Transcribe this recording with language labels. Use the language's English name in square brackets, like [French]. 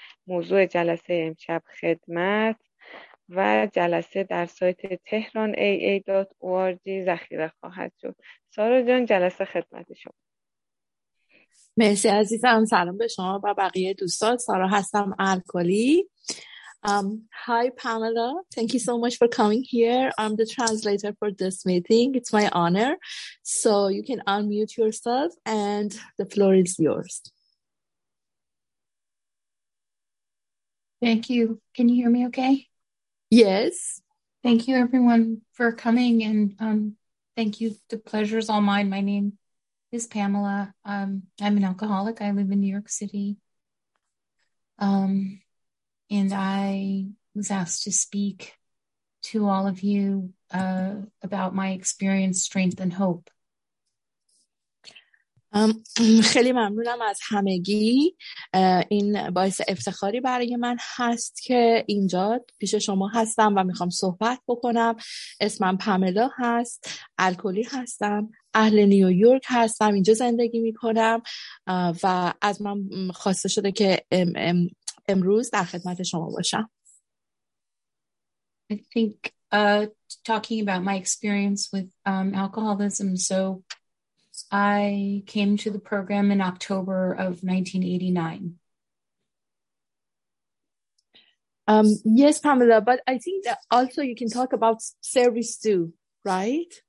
[Persian] موضوع جلسه امشب خدمت و جلسه در سایت تهران aa.org ذخیره خواهد شد. سارا جان، جلسه خدمت شما. مرسی عزیزم، سلام به شما و بقیه دوستان. سارا هستم، الکلی. [English] Hi Pamela, thank you so much for coming here. I'm the translator for this meeting. It's my honor. So you can unmute yourself and the floor is yours. Thank you. Can you hear me okay? Yes. Thank you everyone for coming and thank you. The pleasure is all mine. My name is Pamela. I'm an alcoholic. I live in New York City. And I was asked to speak to all of you about my experience, strength, and hope. [Persian] خیلی ممنونم از همگی. این باعث افتخاری برای من هست که اینجا پیش شما هستم و میخوام صحبت بکنم. اسمم پاملا هست، الکلی هستم، اهل نیویورک هستم، اینجا زندگی میکنم و از من خواسته شده که امروز در خدمت شما باشم. [English] I think talking about my experience with alcoholism, so I came to the program in October of 1989. Yes, Pamela, but I think that also you can talk about service too, right?